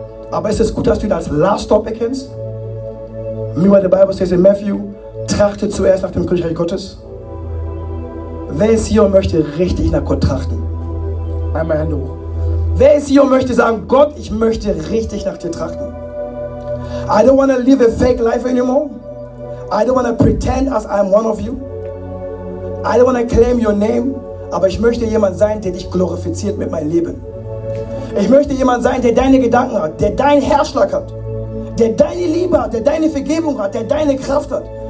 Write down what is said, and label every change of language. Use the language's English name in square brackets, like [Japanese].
[German] Aber ist es gut, dass du ihn als Last Stop erkennst? [English] Meanwhile, the Bible says in Matthew, [German] trachte zuerst nach dem Königreich Gottes. Wer ist hier und möchte richtig nach Gott trachten? Einmal Hände hoch. Wer ist hier und möchte sagen, Gott, ich möchte richtig nach dir trachten? [English] I don't want to live a fake life anymore. I don't want to pretend as I'm one of you. I don't want to claim your name. [German] Aber ich möchte jemand sein, der dich glorifiziert mit meinem Leben. Ich möchte jemand sein, der deine Gedanken hat, der deinen Herzschlag hat, der deine Liebe hat, der deine Vergebung hat, der deine Kraft hat.